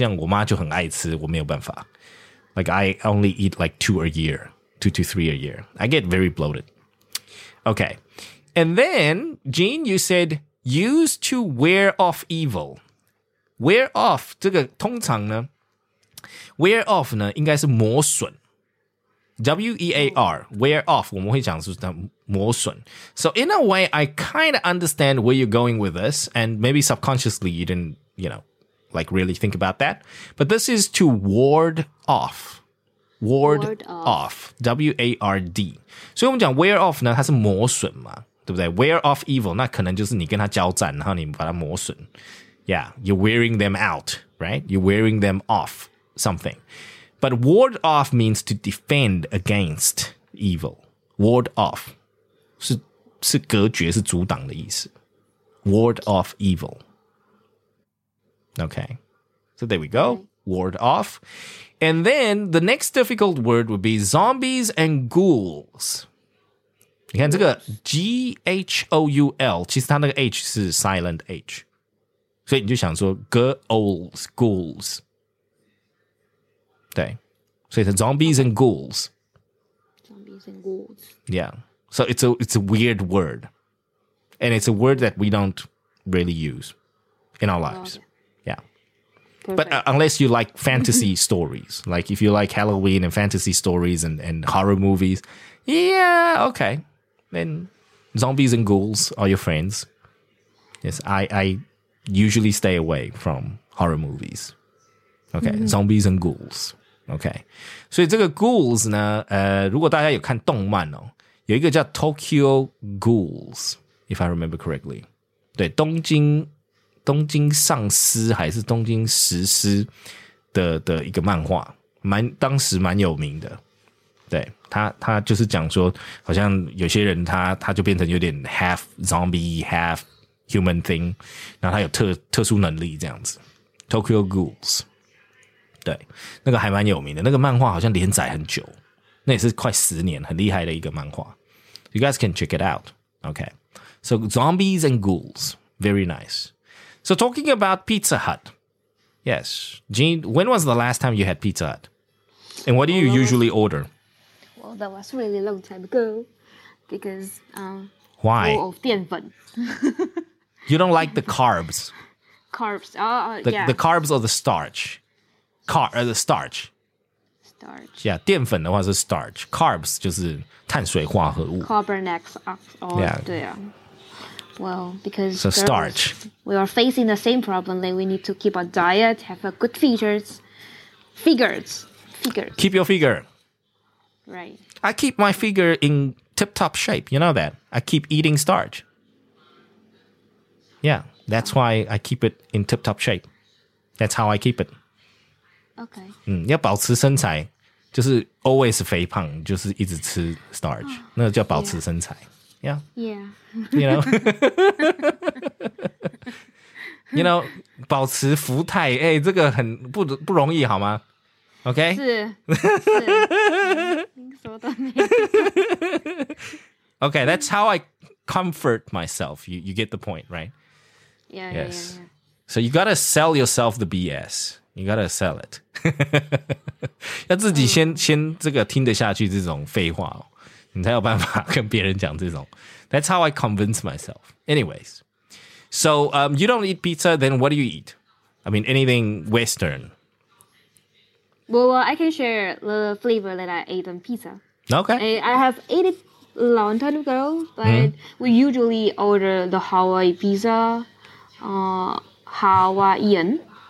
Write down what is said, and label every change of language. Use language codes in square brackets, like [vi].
[zh] 通常吃粽子的时候,很多人每天,像我妈就很爱吃,我没有办法. [en] Like I only eat like two to three a year. I get very bloated. Okay. And then, Jean, you said, used to wear off evil. [zh] Wear off, 这个通常呢, wear off 呢,应该是磨损. W-E-A-R, wear off, 我们会讲是磨损. [en] So in a way, I kind of understand where you're going with this, and maybe subconsciously you didn't, really think about that. But this is to ward off. Ward off. W-A-R-D. [zh] 所以我们讲 wear off 呢, 它是磨损嘛, 对不对?Wear off evil, 那可能就是你跟他交战, 然后你把它磨损。 [en] Yeah, you're wearing them out, right? You're wearing them off something. But ward off means to defend against evil. [zh] Ward off. 是隔绝,是阻挡的意思。 [en] Ward off evil. Okay. So there we go. Ward off. And then the next difficult word would be zombies and ghouls. [zh] 你看这个 G-H-O-U-L, 其实它那个 H 是 silent H. 所以你就想说 ghouls, ghouls. 对, 所以是 zombies and ghouls. [en] Zombies and ghouls. Yeah, so it's a weird word. And it's a word that we don't really use in our lives. Perfect. But unless you like fantasy stories, like if you like Halloween and fantasy stories and horror movies, yeah, okay. Then zombies and ghouls are your friends. Yes, I usually stay away from horror movies. Okay, zombies and ghouls. Okay. [zh] 所以这个 ghouls 呢, 如果大家有看动漫哦, 有一个叫 Tokyo Ghouls, [en] if I remember correctly. [zh] 对,东京 东京丧尸还是东京食尸的一个漫画，当时蛮有名的。对，他就是讲说，好像有些人他就变成有点 [en] half zombie half human thing， [zh] 然后他有特殊能力这样子。Tokyo Ghouls， 对，那个还蛮有名的，那个漫画好像连载很久，那也是快十年，很厉害的一个漫画。 [en] You guys can check it out. Okay, so zombies and ghouls, very nice. So talking about Pizza Hut, yes, Jean, when was the last time you had Pizza Hut? And what do you usually order? Well, that was really a long time ago, because... Why? Full of 淀粉. You don't like the carbs. Carbs, yeah. The carbs or the starch? Starch. [zh] Yeah, 淀粉的话是 starch. Carbs 就是碳水化合物. [en] Carbon X, or, yeah. [zh] 对啊. [en] Well, because so starch. We are facing the same problem. Like we need to keep our diet, have a good features. Figures. Keep your figure. Right. I keep my figure in tip-top shape. You know that? I keep eating starch. Yeah, that's why I keep it in tip-top shape. That's how I keep it. Okay. [zh] 要保持身材, 就是always肥胖, 就是一直吃 starch. 那叫保持身材。Yeah. [en] Yeah. You know. You know, [zh] 保持福泰, 这个很不容易, 好吗? [en] Okay? [zh] 是。您说的没错。 [en] Okay, that's how I comfort myself. You get the point, right? Yeah, yes. So you gotta sell yourself the BS. You gotta sell it. [zh] 要自己先听得下去这种废话。你才有办法跟别人讲这种. [en] That's how I convince myself. Anyways, so you don't eat pizza, then what do you eat? I mean, anything Western. Well, I can share the flavor that I ate on pizza. Okay. I have ate it a long time ago, but we usually order the Hawaii pizza, Hawaiian.